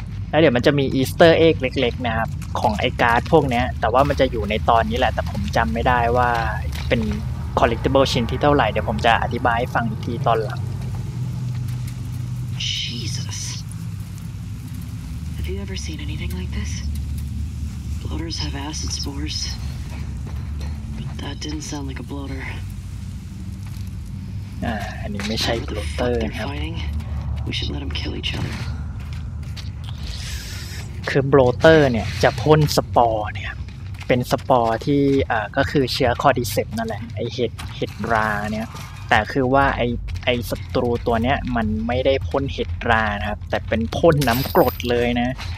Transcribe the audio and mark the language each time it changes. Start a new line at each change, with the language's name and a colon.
Thai: แล้วเดี๋ยวมันจะมีอีสเตอร์เอ็กเล็กๆนะครับของไอ้การ์ดพวกนี้แต่ว่ามันจะอยู่ในตอนนี้แหละแต่ผมจำไม่ได้ว่าเป็นคอลเลกติเบิลชิ้นที่เท่าไหร่เดี๋ยวผมจะอธิบายให้ฟังอีกทีตอนหลัง
English: Jesus Have you ever seen anything like this? Bloaters have acid spores. But that didn't sound like a bloater.
Thai: อันนี้ไม่ใช่บลูเตอร์นะครับ
English: We should let them kill each other
Thai: คือโบรเตอร์เนี่ยจะพ่นสปอร์เนี่ยเป็นสปอร์ที่ก็คือเชื้อคอร์ดิเซปนั่นแหละไอเห็ดราเนี่ยแต่คือว่าไอศัตรูตัวเนี้ยมันไม่ได้พ่นเห็ดรานะครับแต่เป็นพ่นน้ำกรดเลยนะ